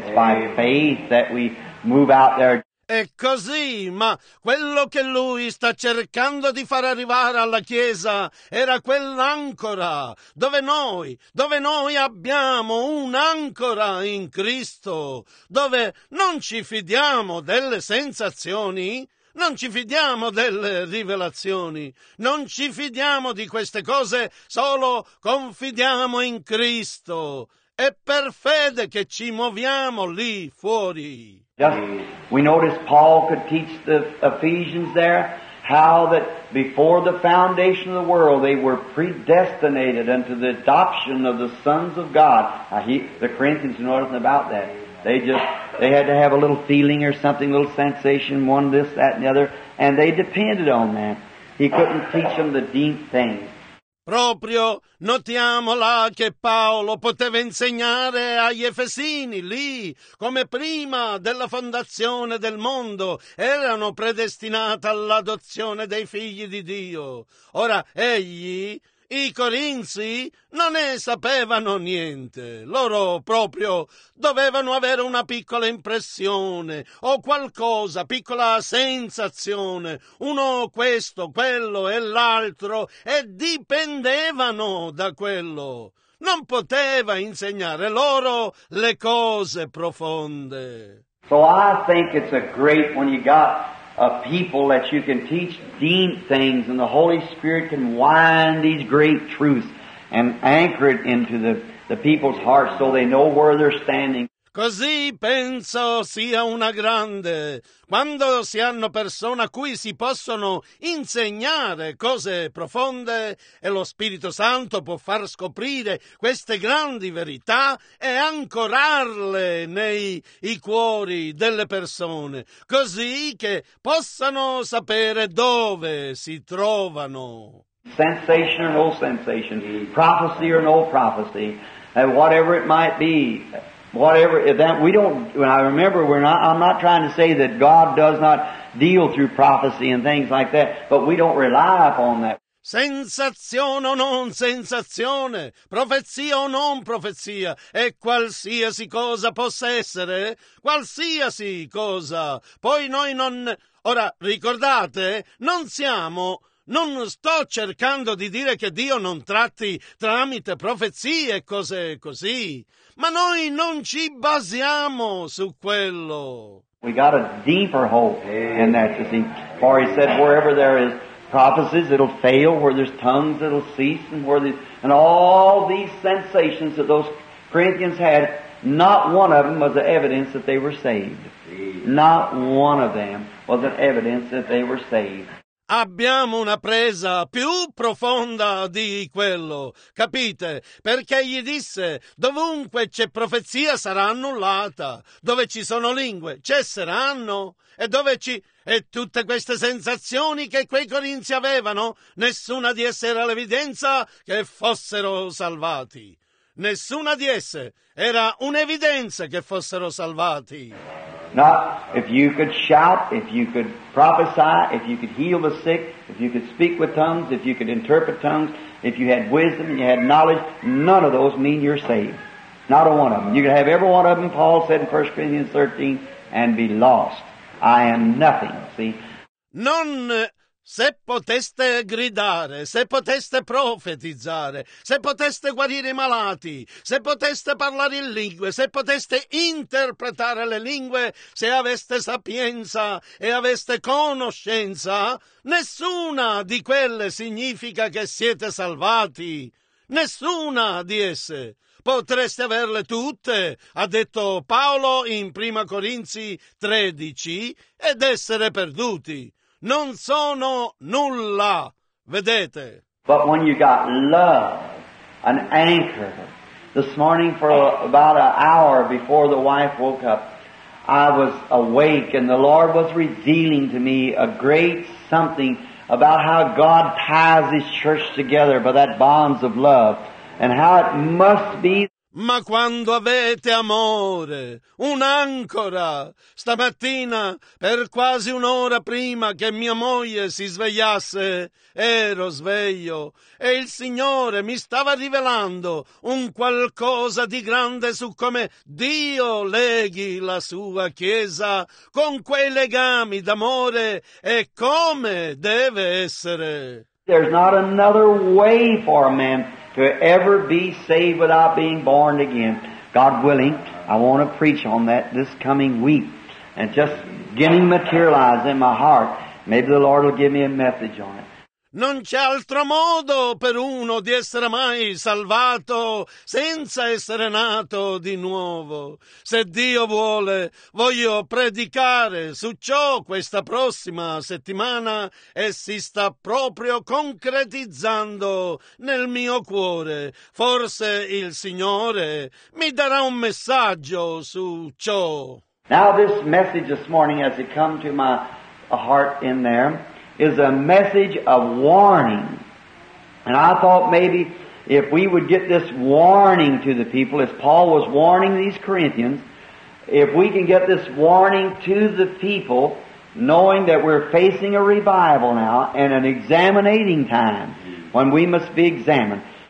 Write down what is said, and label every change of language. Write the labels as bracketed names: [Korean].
[English] It's by faith that we move out there. [Italian] È così, ma quello che lui sta cercando di far arrivare alla Chiesa era quell'ancora, dove noi abbiamo un'ancora in Cristo, dove non ci fidiamo delle sensazioni, non ci fidiamo delle rivelazioni, non ci fidiamo di queste cose, solo confidiamo in Cristo. È per fede che ci muoviamo lì fuori. [English] Just, we notice Paul could teach the Ephesians there how that before the foundation of the world they were predestinated unto the adoption of the sons of God. The Corinthians know nothing about that. They had to have a little feeling or something, a little sensation, one this, that, and the other, and they depended on that. He couldn't teach them the deep things. [Italian] Proprio notiamo là che Paolo poteva insegnare agli Efesini lì, come prima della fondazione del mondo, erano predestinati all'adozione dei figli di Dio. Ora egli, i Corinzi, non ne sapevano niente. Loro proprio dovevano avere una piccola impressione o qualcosa, piccola sensazione, uno questo, quello e l'altro, e dipendevano da quello. Non poteva insegnare loro le cose profonde. [English] So I think it's a great when you got a people that you can teach deep things and the Holy Spirit can wind these great truths and anchor it into the people's hearts so they know where they're standing. [Italian] Così penso sia una grande, quando si hanno persone a cui si possono insegnare cose profonde e lo Spirito Santo può far scoprire queste grandi verità e ancorarle nei cuori delle persone, così che possano sapere dove si trovano. [English] Sensation or no sensation, prophecy or no prophecy, and whatever it might be. Whatever that we don't, I remember we're not. I'm not trying to say that God does not deal through prophecy and things like that, but we don't rely upon that. [Italian] Sensazione o non sensazione, profezia o non profezia, e qualsiasi cosa possa essere, qualsiasi cosa. Poi noi non. Ora ricordate, non siamo. Non sto cercando di dire che Dio non tratti tramite profezie e cose così, ma noi non ci basiamo su quello. [English] We got a deeper hope in that, you see. For he said, wherever there is prophecies, it'll fail. Where there's tongues, it'll cease. And where there's, and all these sensations that those Corinthians had, not one of them was the evidence that they were saved. Not one of them was an evidence that they were saved. [Italian] Abbiamo una presa più profonda di quello, capite? Perché gli disse: dovunque c'è profezia sarà annullata, dove ci sono lingue cesseranno, e dove ci... E tutte queste sensazioni che quei corinzi avevano, nessuna di esse era l'evidenza che fossero salvati. Nessuna di esse era un'evidenza che fossero salvati. [English] Not if you could shout, if you could prophesy, if you could heal the sick, if you could speak with tongues, if you could interpret tongues, if you had wisdom and you had knowledge, none of those mean you're saved. Not a one of them. You could have every one of them, Paul said in 1 Corinthians 13, and be lost. I am nothing, see? [Italian] Non se poteste gridare, se poteste profetizzare, se poteste guarire i malati, se poteste parlare in lingue, se poteste interpretare le lingue, se aveste sapienza e aveste conoscenza, nessuna di quelle significa che siete salvati. Nessuna di esse. Potreste averle tutte, ha detto Paolo in 1 Corinzi 13, ed essere perduti. Non sono nulla, vedete. [English] But when you got love, an anchor, this morning for about an hour before the wife woke up, I was awake and the Lord was revealing to me a great something about how God ties His church together by that bonds of love and how it must be. [Italian] Ma quando avete amore, un'ancora, stamattina, per quasi un'ora prima che mia moglie si svegliasse, ero sveglio, e il Signore mi stava rivelando un qualcosa di grande su come Dio leghi la sua Chiesa con quei legami d'amore e come deve essere. [English] There's not another way for a man to ever be saved without being born again. God willing, I want to preach on that this coming week and just getting materialized in my heart. Maybe the Lord will give me a message on it. [Italian] Non c'è altro modo per uno di essere mai salvato senza essere nato di nuovo. Se Dio vuole, voglio predicare su ciò questa prossima settimana e si sta proprio concretizzando nel mio cuore. Forse il Signore mi darà un messaggio su ciò. [English] Now this message this morning as it come to my heart in there is a message of warning. And I thought maybe if we would get this warning to the people, as Paul was warning these Corinthians, if we can get this warning to the people, knowing that we're facing a revival now and an examining time when we must be examined.